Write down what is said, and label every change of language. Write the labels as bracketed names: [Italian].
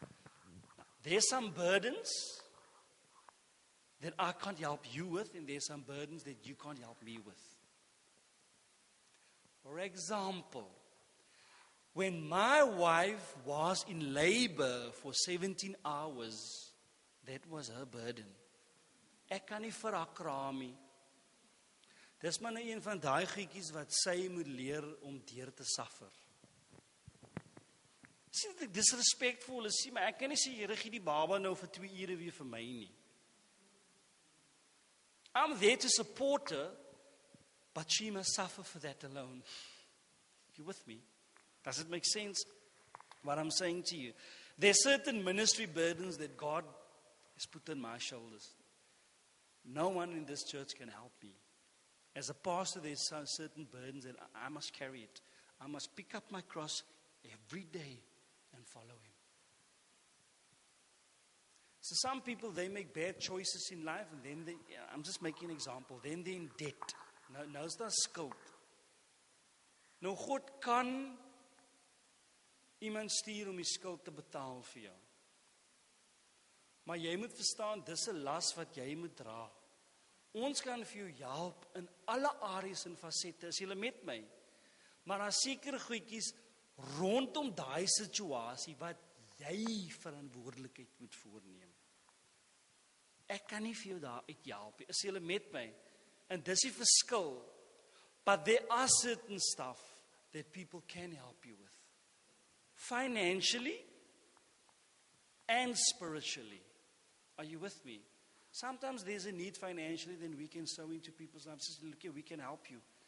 [English] Now, there's some burdens that I can't help you with, and there's some burdens that you can't help me with. For example, when my wife was in labor for 17 hours, that was her burden. [Afrikaans] Ek kan nie vir haar kraam nie. Dis maar nou een van daai goedjies wat sy moet leer om deur te suffer. Sien dit disrespectful is, sien maar ek kan nie sê Here gee die baba nou vir 2 ure weer vir my nie. [English] I'm there to support her, but she must suffer for that alone. You with me? Does it make sense what I'm saying to you? There are certain ministry burdens that God has put on my shoulders. No one in this church can help me. As a pastor, there are certain burdens that I must carry it. I must pick up my cross every day and follow Him. So some people, they make bad choices in life, and then I'm just making an example. Then they're in debt. Now is that skuld. Now God can [Afrikaans] iemand stuur om die skuld te betaal vir jou. Maar jy moet verstaan, dis 'n las wat jy moet dra. Ons kan vir jou help in alle areas en facette, as jy met my. Maar daar sekere goedjies rondom daai situasie wat jy verantwoordelikheid moet voorneem. Ek kan nie vir jou daar uit help, as jy met my. En dis die verskil. [English] But there are certain stuff that people can help you with. Financially and spiritually. Are you with me? Sometimes there's a need financially, then we can sow into people's lives. Just look here, we can help you.